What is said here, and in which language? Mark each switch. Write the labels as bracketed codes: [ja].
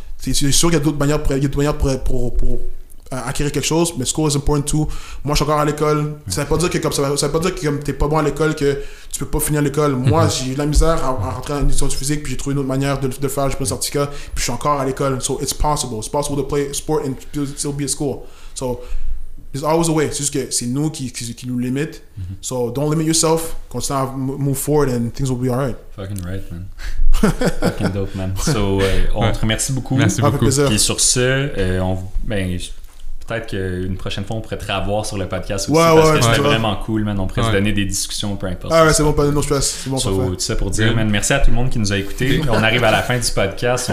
[fr] C'est sûr qu'il y a d'autres manières pour acquérir quelque chose, mais [en] school is important too. [fr] Moi, je suis encore à l'école. Ça veut pas dire que comme t'es pas bon à l'école, que tu peux pas finir l'école. Moi, j'ai eu de la misère à rentrer en études physiques, puis j'ai trouvé une autre manière de le faire. J'ai pris un certificat, puis je suis encore à l'école. [en] So, it's possible. It's possible to play sport and still be at school. So, there's always a way. [fr] C'est juste que c'est nous qui nous limite. [en] So, don't limit yourself. Continue to move forward and things will be alright. Fucking right, man. Fucking dope, man. So, [fr] on te remercie beaucoup. Merci beaucoup. Puis sur ce, peut-être qu'une prochaine fois, on pourrait te revoir sur le podcast aussi. Parce que c'était vraiment cool, man. On pourrait se donner des discussions, peu importe. Ah ouais, c'est bon, pas de nos stress. C'est bon, so, tout ça pour dire, man, merci à tout le monde qui nous a écoutés. On arrive à la fin du podcast.